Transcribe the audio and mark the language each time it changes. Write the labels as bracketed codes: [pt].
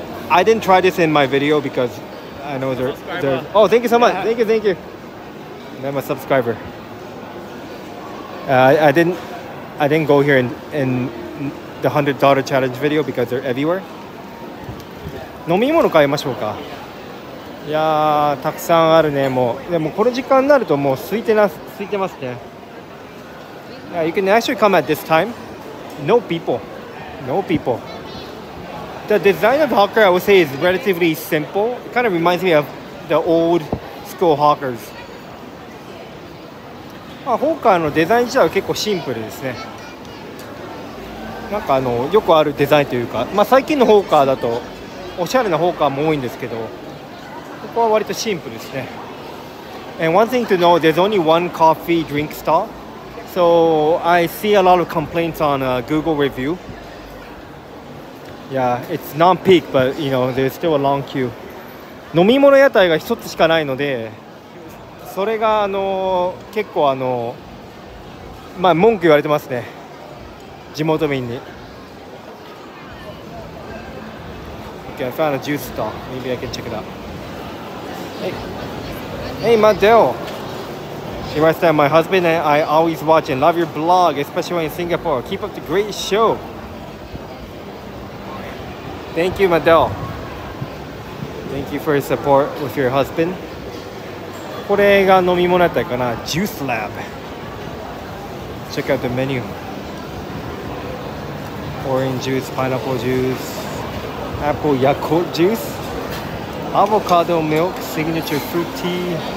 [en] I didn't try this in my video because I know they're oh, thank you so much. Yeah. Thank you. I'm a subscriber. I didn't go here in the $100 challenge video because they're everywhere. [ja] 飲み物買いましょうか。いやーたくさんあるねもう。でもこの時間になるともう空いてますね。 [en] Yeah, you can actually come at this time. No people. The design of Hawker, I would say, is relatively simple. It kind of reminds me of the old school hawkers. [ja] まあ、ホーカーのデザイン自体は結構シンプルですね。なんかあのよくあるデザインというか、まあ、最近のホーカーだとおしゃれなホーカーも多いんですけど、ここは割とシンプルですね。 [en] And one thing to know, there's only one coffee drink stall. So I see a lot of complaints on a Google review. Yeah, it's non-peak, but you know, there's still a long queue. [ja] 飲み物屋台が一つしかないので、それがあの結構あの、まあ、文句言われてますね、地元民に。 [en] Okay, I found a juice stall. Maybe I can check it out. Hey, hey, Mateo. He writes that my husband and I always watch and love your blog, especially in Singapore. Keep up the great show. Thank you, Mateo. Thank you for your support with your husband. [ja] これが飲み物だったかな、ジュースラブ。 [en] Check out the menu. Orange juice, pineapple juice, apple yakult juice, avocado milk, signature fruit tea.